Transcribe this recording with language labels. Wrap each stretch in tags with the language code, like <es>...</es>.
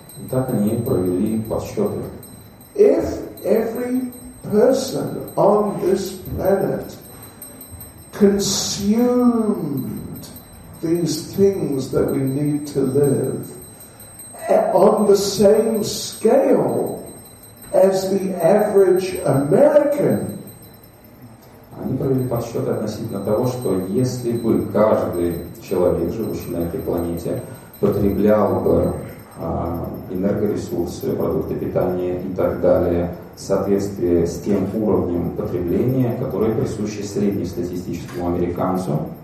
<ru>И так они провели подсчеты.</ru> <en>If every person on this planet consumed these things that we need to live on the same scale as the average American.</en> <ru>Они провели подсчет относительно того, что если бы каждый человек, живущий на этой планете, потреблял бы энергоресурсы, продукты питания и так далее, в соответствии с тем уровнем потребления, который присущ среднестатистическому американцу.</ru>